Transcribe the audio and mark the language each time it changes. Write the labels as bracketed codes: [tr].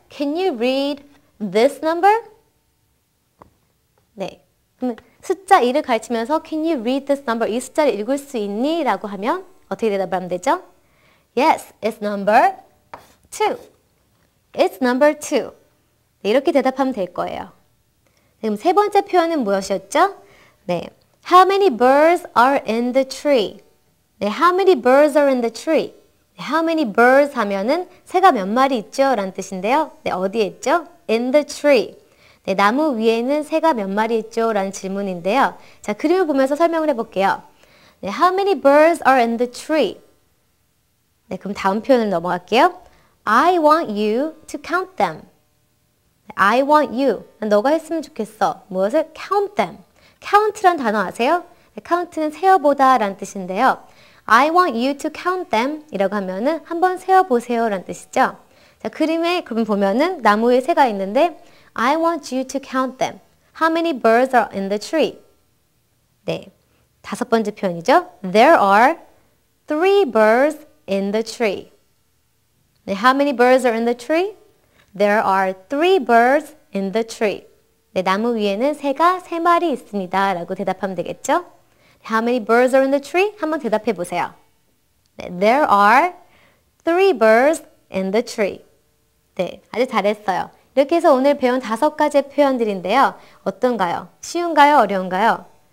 [en] Can you read this number? [ko] 네, 그러면 숫자 1을 가르치면서 [en] Can you read this number? [ko] 이 숫자를 읽을 수 있니? 라고 하면 어떻게 대답을 하면 되죠? [en] Yes, it's number 2. It's number 2. [ko] 네, 이렇게 대답하면 될 거예요. 네, 그럼 세 번째 표현은 무엇이었죠? 네. [en] How many birds are in the tree? 네, how many birds are in the tree? 네, How many birds [ko] 하면은 새가 몇 마리 있죠? 라는 뜻인데요. 네, 어디에 있죠? [en] In the tree. [ko] 네, 나무 위에는 새가 몇 마리 있죠? 라는 질문인데요. 자, 그림을 보면서 설명을 해볼게요. [en] 네, How many birds are in the tree? [ko] 네, 그럼 다음 표현을 넘어갈게요. [en] I want you to count them. I want you. [ko] 너가 했으면 좋겠어. 무엇을? [en] Count them. [ko] Count란 단어 아세요? 네, count는 세어보다 라는 뜻인데요. [en] I want you to count them [ko] 이라고 하면은 한번 세어보세요 라는 뜻이죠. 자, 그림에 그럼 보면은 나무에 새가 있는데 [en] I want you to count them. How many birds are in the tree? [ko] 네, 다섯 번째 표현이죠. [en] There are three birds in the tree. 네, how many birds are in the tree? There are three birds in the tree. [ko] 네, 나무 위에는 새가 세 마리 있습니다 라고 대답하면 되겠죠. [en] How many birds are in the tree? [ko] 한번 대답해 보세요. [en] There are three birds in the tree. [ko] 네, 아주 잘했어요. 이렇게 해서 오늘 배운 다섯 가지 표현들인데요. 어떤가요? 쉬운가요? 어려운가요?